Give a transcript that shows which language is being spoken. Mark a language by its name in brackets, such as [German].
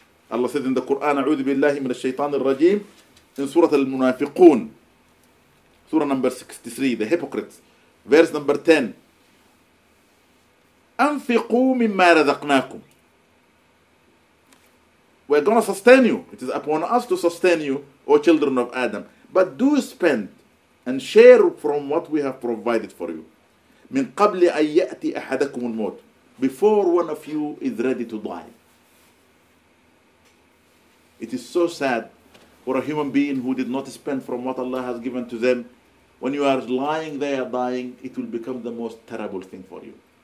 [English] Allah said in the Quran, A'udhu billahi min ash-shaytan ar-rajim, in Surah Al-Munafiqoon, Surah number 63, the hypocrites, verse number 10. [Arabic] أنفقوا مما رزقناكم. [English] We're going to sustain you. It is upon us to sustain you, O children of Adam. But do spend and share from what we have provided for you. [Arabic] من قبل أن يأتي أحدكم الموت. [English] Before one of you is ready to die. It is so sad for a human being who did not spend from what Allah has given to them. When you are lying there dying, it will become the most terrible thing for you.